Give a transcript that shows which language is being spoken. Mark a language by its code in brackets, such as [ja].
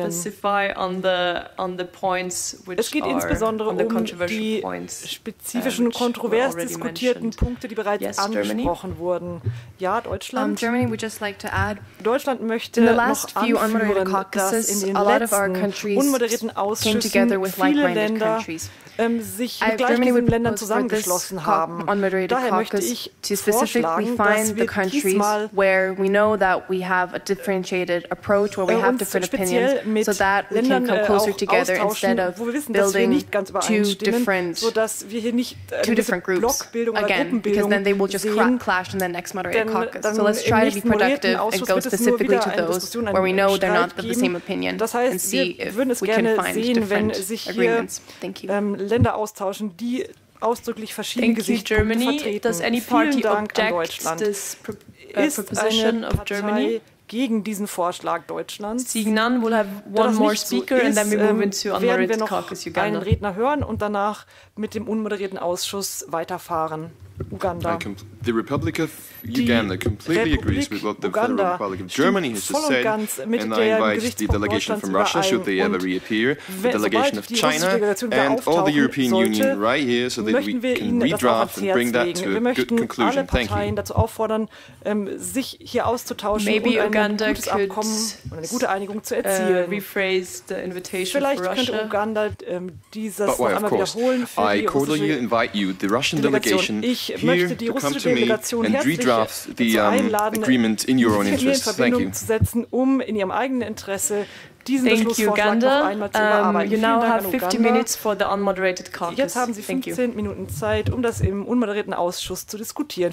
[de] Es geht insbesondere um die spezifischen kontrovers diskutierten Punkte, die bereits angesprochen wurden. Ja, Deutschland. [en] Germany, we just like to add, [de] Deutschland möchte noch anführen, dass in den letzten unmoderierten Ausschüssen viele Länder sich mit gleichen Ländern zusammengeschlossen haben. Daher möchte ich vorschlagen, dass wir diesmal [en] that we have a differentiated approach where we have different opinions so that we can come closer together instead of building two different groups again, because then they will just clash in the next moderated caucus. So let's try to be productive and go specifically to those where we know they're not of the same opinion and see if we can find different agreements. Thank you. [de] Länder austauschen, die ausdrücklich verschiedene Gesichtspunkte [en] Germany, [de] vertreten. Vielen Dank an Deutschland. Ist eine [en] of Germany [de] gegen diesen Vorschlag Deutschlands? [en] Seeing none, we'll have one more speaker so and then we move into unmoderated caucus Uganda. [de] Einen Redner hören und danach mit dem unmoderierten Ausschuss weiterfahren. [en] Uganda. The Republic of Uganda completely agrees with what the Federal Republic of Germany has just said, and I invite the delegation from Russia, should they ever reappear, the delegation of China, and all the European Union right here, so that we can redraft and bring that to a good conclusion. Thank you. Maybe Uganda could rephrase the invitation for Russia. But why, of course, I cordially invite you, the Russian delegation, here to come to me and redraft the agreement in your own interests. Thank you. Thank you, Uganda. You now have 15 minutes for the unmoderated caucus. [de] Jetzt haben Sie 15 Minuten Zeit, um das im unmoderierten Ausschuss zu diskutieren.